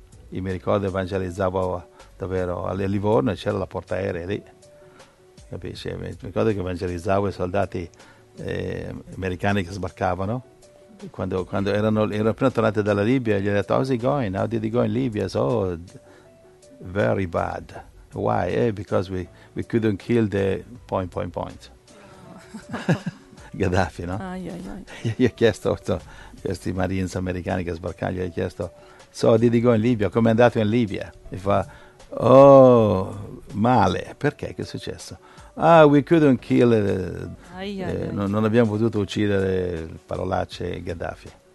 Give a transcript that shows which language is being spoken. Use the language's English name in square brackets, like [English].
[Italian] Io mi ricordo evangelizzavo davvero a Livorno e c'era la portaerei lì, capisci? Mi ricordo che evangelizzavo i soldati americani che sbarcavano. Quando erano appena tornati dalla Libia, gli ho detto, [English] how's it going? How did it go in Libya? So, very bad. Why? Because we couldn't kill the point. [Italian] Gaddafi, no? Gli ho chiesto a questi marines americani che sbarcano, gli ho chiesto, [English] so, how did it go in Libya? [Italian] Come è andato in Libia? E fa, oh, male. Perché? Che è successo? [English] Ah, we couldn't kill. [Italian] Non abbiamo potuto uccidere parolacce Gaddafi.